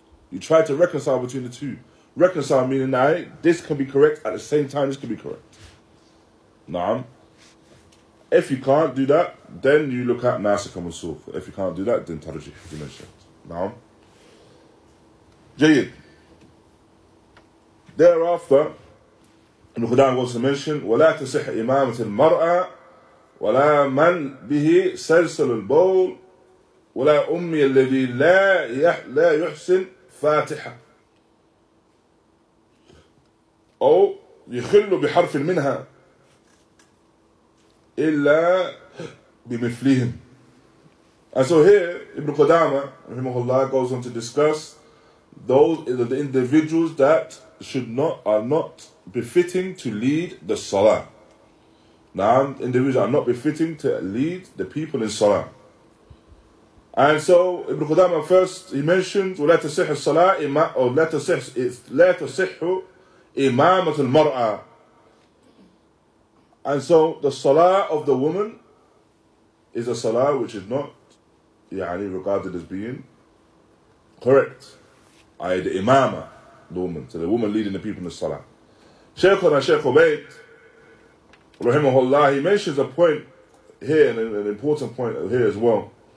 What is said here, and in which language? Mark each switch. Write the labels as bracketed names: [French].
[English] You try to reconcile between the two. Reconcile meaning that this can be correct, at the same time this can be correct. Na'am. If you can't do that, then you look at nasikh and mansukh. If you can't do that, then tarjih, you mentioned. [Arabic] Na'am. Jayid. [English] Thereafter, Ibn Khudan wants to mention, [Arabic] وَلَا تَسِحْ إِمَامَةِ الْمَرْأَى وَلَا مَنْ بِهِ سَلْسَلُ الْبَوْلِ ولا أمي الذي لا لا يحسن فاتحة أو يخل بحرف منها إلا بمثلهم. [English] And so here, Ibn Qudama, rahimahullah, goes on to discuss those the individuals that should not are not befitting to lead the salah. Now, individuals are not befitting to lead the people in salah. And so Ibn Qudama first he mentions [Arabic] ولا تصح الصلاة إما أو لا تصح لا تصح إمامة المرأة. [English] And so the salah of the woman is a salah which is not [Arabic] يعني [English] regarded as being correct. I the imama, the woman. So the woman leading the people in the salah. Shaykhuna Shaykh Ubayd, rahimahullah, he mentions a point here, an important point here as well.